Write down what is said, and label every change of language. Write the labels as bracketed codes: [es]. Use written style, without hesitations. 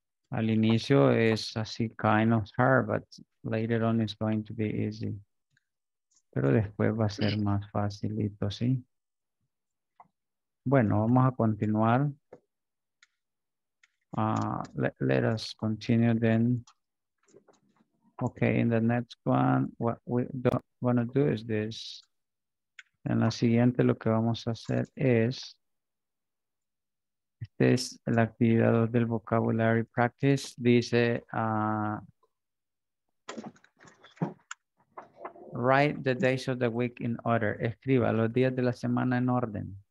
[es] Al inicio es así, [en] kind of hard, but later on it's going to be easy. [es] Pero después va a ser más facilito, ¿sí? Bueno, vamos a continuar. [en] Let us continue then. Okay, in the next one, what we're going to do is this. [es] En la siguiente lo que vamos a hacer es, esta es la actividad 2 del vocabulary practice. [en] Dice, write the days of the week in order. [es] Escriba los días de la semana en orden.